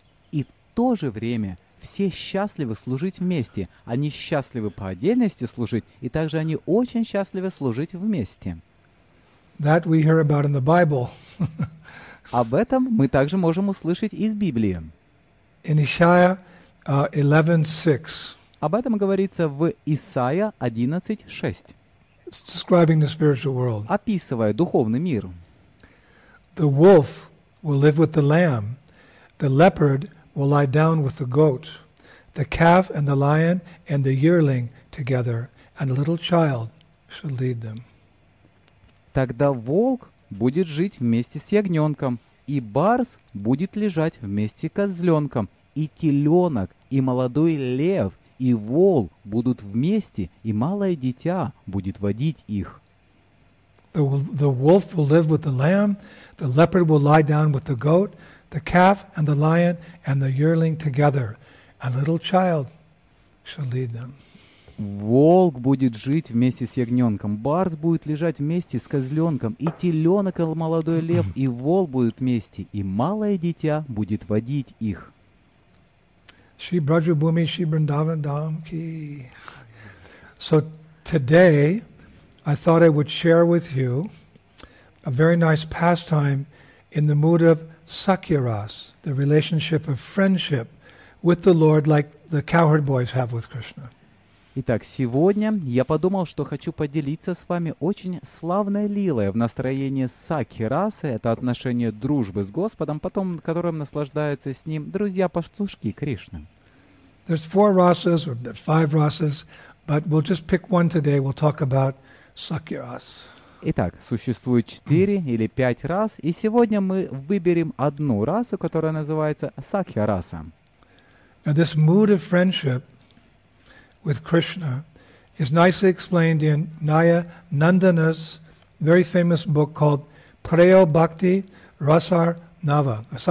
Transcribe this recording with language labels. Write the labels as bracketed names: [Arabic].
[Russian] И в то же время все счастливы служить вместе. Они счастливы по отдельности служить, и также они очень счастливы служить вместе. [English] That we hear about in the Bible. [Russian] Об этом мы также можем услышать из Библии. [English] In Isaiah 11:6. [Russian] Об этом говорится в Исайя 11:6. [English] Describing the spiritual world. [Russian] Описывая духовный мир. [English] The wolf will live with the lamb. The leopard will lie down with the goat. The calf and the lion and the yearling together, and a little child shall lead them. [Russian] Тогда волк будет жить вместе с ягненком, и барс будет лежать вместе с козленком, и теленок, и молодой лев, и вол будут вместе, и малое дитя будет водить их. [English] The wolf will live with the lamb, the leopard will lie down with the goat, the calf and the lion and the yearling together, a little child shall lead them. [Russian] Волк будет жить вместе с ягненком, барс будет лежать вместе с козленком, и теленок, и молодой лев, и вол будут вместе, и малое дитя будет водить их. [English] Shri Braja Bhumi, Shri Vrindavan Dham Ki. So today I thought I would share with you a very nice pastime in the mood of Sakyaras, the relationship of friendship with the Lord, like the cowherd boys have with Krishna. [Russian] Итак, сегодня я подумал, что хочу поделиться с вами очень славной лилой в настроении сакхи-расы, это отношение дружбы с Господом, потом которым наслаждаются с ним друзья-пастушки Кришны. [English] There's four rasas, or five rasas, but we'll just pick one today, we'll talk about sakhi-ras. [Russian] Итак, существует четыре или пять рас, и сегодня мы выберем одну расу, которая называется сакхи-раса. [English] Now this mood of friendship with Krishna is nicely explained in Naya Nandana's very famous book called Prayo Bhakti Rasarnava.